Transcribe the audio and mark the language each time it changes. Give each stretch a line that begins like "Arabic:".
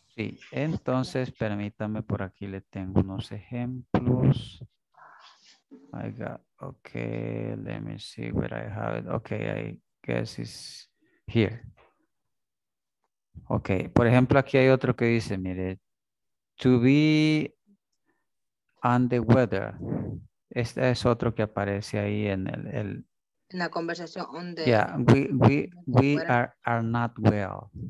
Spanish: Sí, entonces permítame, por aquí le tengo unos ejemplos.
English: I got, okay, let me see where I have it. Okay, I guess it's here.
Spanish: Okay, por ejemplo, aquí hay otro que dice, mire,
English: to be under weather.
Spanish: Este es otro que aparece ahí en el en la conversación under.
English: Yeah, we are not well.